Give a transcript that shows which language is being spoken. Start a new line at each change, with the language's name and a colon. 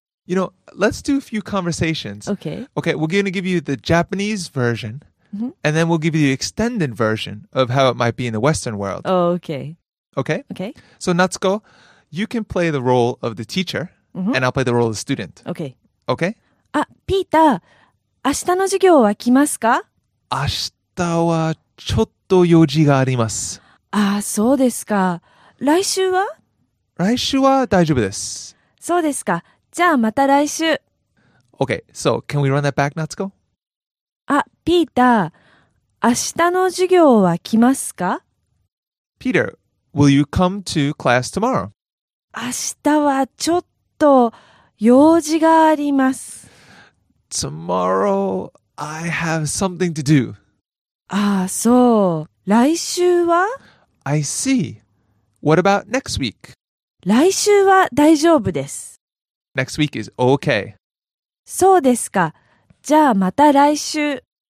English: You know, let's do a few conversations. Okay. Okay, we're going to give you the Japanese version, and then we'll give you the extended version of how it might be in the Western world. Oh, okay. Okay? Okay. So, Natsuko, you can play the role of the teacher, and I'll play the role of the student. Okay. Okay?
Japanese: Peter, 明日の授業は来ますか? 明日明日はちょっと用事があります。あ、そうですか。来週は？来週は大丈夫です。そうですか。じゃあまた来週。
English: Okay, so can we run that back, Natsuko?
Japanese: あ、ピーター、明日の授業は来ますか？
English: Peter, will you come to class tomorrow?
Japanese: 明日はちょっと用事があります。
English: Tomorrow, I have something to do.
Japanese: ああ、そう。来週は？
English: I see. What about next week?
Japanese: 来週は大丈夫です。
English: Next week is okay.
Japanese: そうですか。じゃあまた来週。